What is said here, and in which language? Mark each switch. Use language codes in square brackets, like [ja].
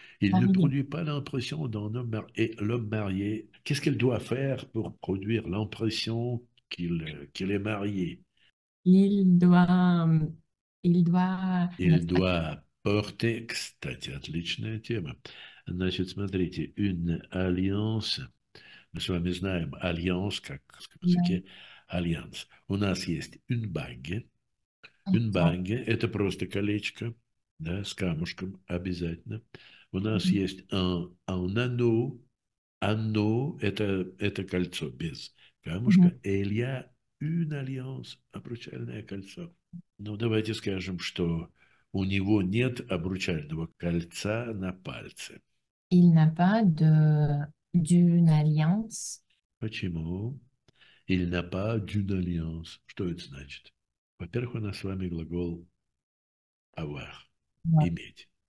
[fr] Il ne produit pas l'impression d'un homme marié. Et l'homme marié, qu'est-ce qu'elle doit faire pour produire l'impression qu'il est marié? Il doit Il doit porter, [ru] кстати, отличная тема. Значит, смотрите, [fr] une alliance. [ru] Мы с вами знаем alliance, как в языке alliance. У нас есть [fr] une bague. Une bague, [ru] это просто колечко. Да, с камушком обязательно. У нас есть [fr] un anneau. [ru] Anneau, это кольцо без камушка. [fr] Et il y a une alliance, [ru] обручальное кольцо. Ну, давайте скажем, что у него нет обручального кольца на пальце. [fr] Il n'a pas d'une alliance. [ru] Почему? [fr] Il n'a pas d'une alliance. [ru] Что это значит? Во-первых, у нас с вами глагол avoir. Иметь.